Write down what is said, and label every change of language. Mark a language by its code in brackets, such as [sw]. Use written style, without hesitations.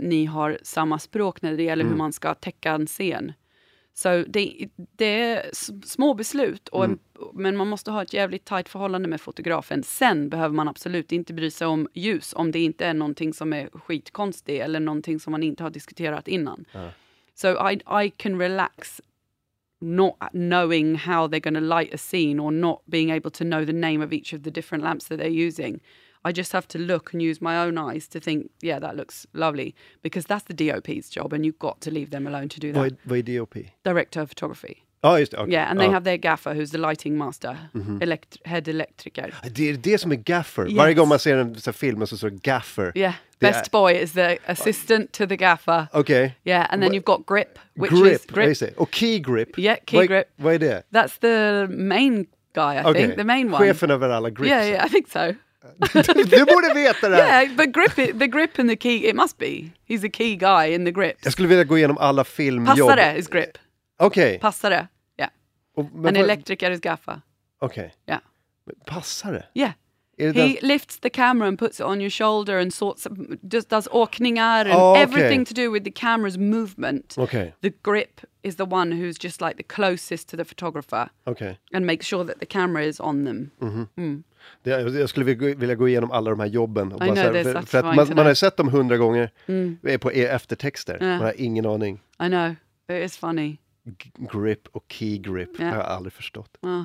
[sv] ni har samma språk när det gäller hur man ska täcka en scen. Så det är små beslut. Och men man måste ha ett jävligt tajt förhållande med fotografen. Sen behöver man absolut inte bry sig om ljus om det inte är någonting som är skitkonstigt eller någonting som man inte har diskuterat innan. [en] So I can relax not knowing how they're going to light a scene or not being able to know the name of each of the different lamps that they're using. I just have to look and use my own eyes to think, yeah, that looks lovely. Because that's the DOP's job and you've got to leave them alone to do that. By DOP? Director of photography. Oh, just, okay. Yeah, and they have their gaffer who's the lighting master, head electrician. [sv] Det är det som är gaffer. [en] Yes. [sv] Varje gång man ser en film så är det gaffer. [en] Yeah, best boy is the assistant to the gaffer. Okay. Yeah, and then you've got grip, which is grip. Is it? Oh, key grip. Yeah, key grip. [sv] Vad är det? [en] That's the main guy, I think, the main one. [sv] Chefen över alla grips. [en] Yeah, yeah, I think so. [sv] Du borde veta det. [en] Yeah, but the grip and the key, it must be. He's a key guy in the grip. [sv] Jag skulle vilja gå igenom alla filmjobb. [en] Passare is grip. [sv] Okej. [en] Okay. Passare, ja. Yeah. [sv] En elektriker [en] is gaffa. [sv] Okej. [en] Okay. Yeah. [sv] Passare? [en] Yeah. He lifts the camera and puts it on your shoulder and does åkningar and everything to do with the camera's movement. Okay. The grip is the one who's just like the closest to the photographer. Okay. And makes sure that the camera is on them. Mm-hmm. Mm. [sv] Jag skulle vilja gå igenom alla de här jobben. Och bara [en] know, [sv] för att man har sett dem 100 gånger på eftertexter. [en] Yeah. [sv] Man har ingen aning. [en] I know, it is funny. [sv] Grip och key grip, [en] yeah. [sv] Det har jag aldrig förstått.